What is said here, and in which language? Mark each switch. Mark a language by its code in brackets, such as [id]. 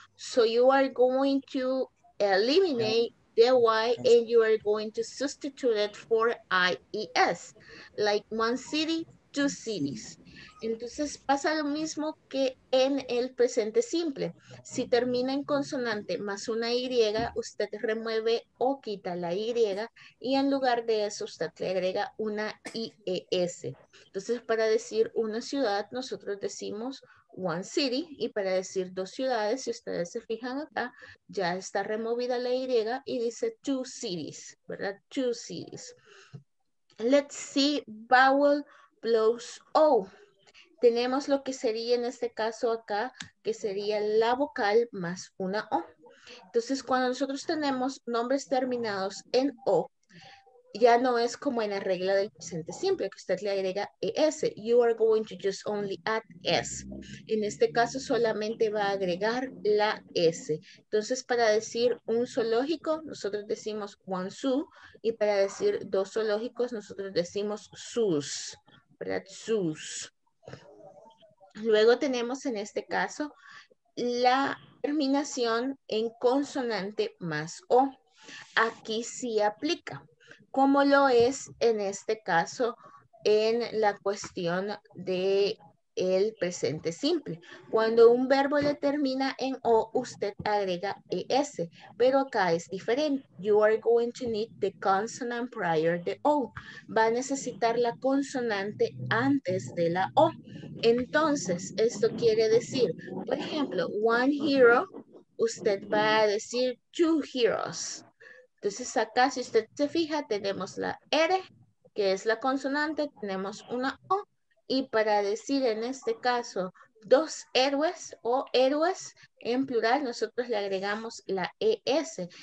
[en] So you are going to eliminate the Y and you are going to substitute it for IES. Like one city, two cities. [es] Entonces pasa lo mismo que en el presente simple. Si termina en consonante más una Y, usted remueve o quita la Y y en lugar de eso usted le agrega una IES. Entonces para decir una ciudad, nosotros decimos [en] one city, [es] y para decir dos ciudades, si ustedes se fijan acá, ya está removida la Y y dice [en] two cities, [es] ¿verdad? [en] Two cities. Let's see vowel plus O. [es] Tenemos lo que sería en este caso acá, que sería la vocal más una O. Entonces, cuando nosotros tenemos nombres terminados en O, ya no es como en la regla del presente simple, que usted le agrega ES. [en] You are going to just only add S. [es] En este caso solamente va a agregar la S. Entonces para decir un zoológico, nosotros decimos [en] one zoo. [es] Y para decir dos zoológicos, nosotros decimos zoos. ¿Verdad? Zoos. Luego tenemos en este caso la terminación en consonante más O. Aquí sí aplica. Como lo es en este caso en la cuestión del presente simple. Cuando un verbo le termina en O, usted agrega ES, pero acá es diferente. [en] You are going to need the consonant prior to O. [es] Va a necesitar la consonante antes de la O. Entonces, esto quiere decir, por ejemplo, [en] one hero, [es] usted va a decir [en] two heroes. [es] Entonces acá, si usted se fija, tenemos la R, que es la consonante, tenemos una O, y para decir en este caso dos héroes o héroes en plural, nosotros le agregamos la ES.